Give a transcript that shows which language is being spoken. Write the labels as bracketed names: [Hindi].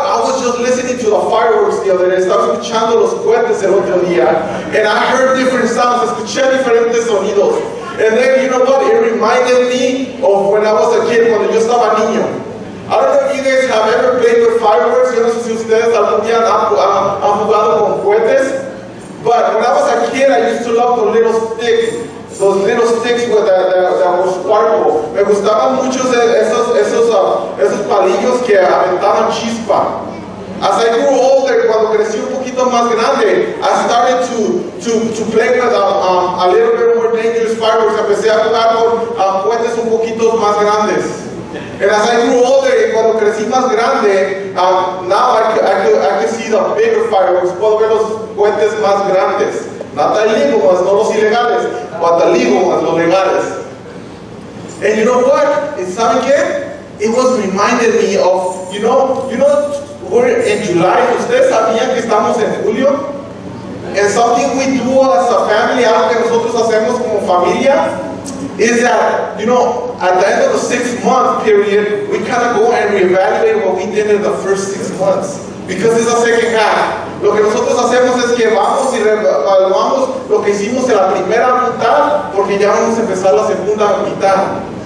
[English] I was just listening to the fireworks the other day. [Spanish] Estaba escuchando los cohetes el otro día. [English] And I heard different sounds. [Spanish] Escuché diferentes sonidos. [English] And then, you know what? It reminded me of when I was a kid, [Spanish] cuando yo estaba niño. [English] I don't know if you guys have ever played with fireworks. [Spanish] Yo no sé si ustedes algún día han jugado con cohetes. [English] But when I was a kid, I used to love the little sticks. Those little sticks with that were sparkle. [Spanish] Me gustaban mucho esos palillos que aventaban chispa. [English] As I grew older, [Spanish] cuando crecí un poquito más grande, [English] I started to play with a little bit more dangerous fireworks. [Spanish] Empecé a jugar con puentes un poquito más grandes. [English] And as I grew older, [Spanish] cuando crecí más grande, [English] now I could see the bigger fireworks. [Spanish] Puedo ver los puentes más grandes. [English] Not the illegal ones, [Spanish] no los ilegales, [English] but the legal ones, [Spanish] los legales. [English] And you know what? And [Spanish] ¿saben qué? [English] It was reminded me of, you know, we're in July. [Spanish] ¿Ustedes sabían que estamos en julio? [English] And something we do as a family, [Spanish] algo que nosotros hacemos como familia, [English] is that, at the end of the 6 month period, we kind of go and reevaluate what we did in the first 6 months. Because it's a second half. [Spanish] Lo que nosotros hacemos es que vamos y evaluamos lo que hicimos en la primera mitad, porque ya vamos a empezar la segunda mitad.